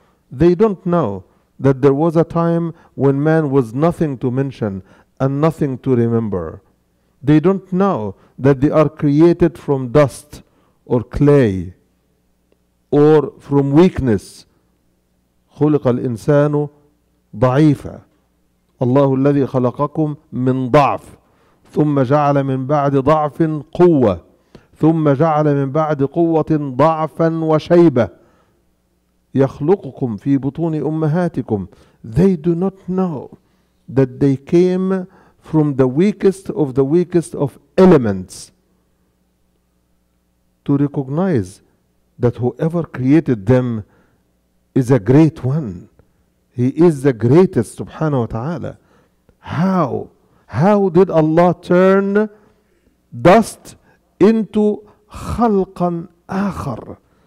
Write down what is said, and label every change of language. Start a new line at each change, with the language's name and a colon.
English: They don't know that there was a time when man was nothing to mention and nothing to remember. They don't know that they are created from dust or clay or from weakness.
Arabic: خلق الإنسان ضعيفا. الله الذي خلقكم من ضعف ثم جعل من بعد ضعف قوة ثم جعل من بعد قوة ضعفا وشيبة يخلقكم في بطون أمهاتكم.
English: They do not know that they came from the weakest of elements. To recognize that whoever created them is a great one. He is the greatest, subhanahu wa ta'ala. How did Allah turn dust into
Arabic: khalqan akhar?